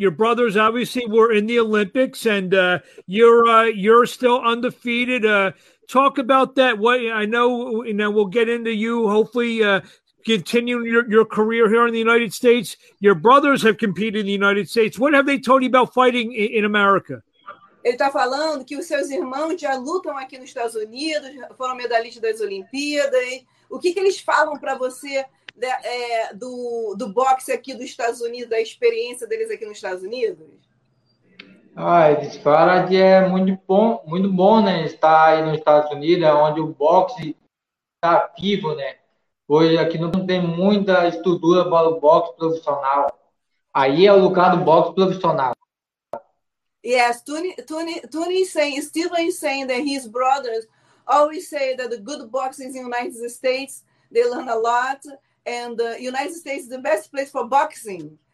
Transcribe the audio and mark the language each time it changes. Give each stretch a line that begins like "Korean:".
English: Your brothers obviously were in the Olympics, and you're still undefeated. Talk about that. What I know, you know, we'll get into you. Hopefully, continuing your career here in the United States. Your brothers have competed in the United States. What have they told you about fighting in America?
Portuguese: Ele está falando que os seus irmãos já lutam aqui nos Estados Unidos, foram medalhistas das Olimpíadas. O que eles falam para você? Do boxe aqui dos Estados Unidos, da experiência deles aqui nos Estados Unidos? Eles falam que é muito bom, né, estar aí nos Estados Unidos, onde o boxe está vivo, né? Hoje aqui não tem muita estrutura para o boxe profissional. Aí é o lugar do boxe profissional.
English: Yes, Tony is saying, Steven is saying that his brothers always say that the good boxing in the United States, they learn a lot. And the United States is the best place for boxing.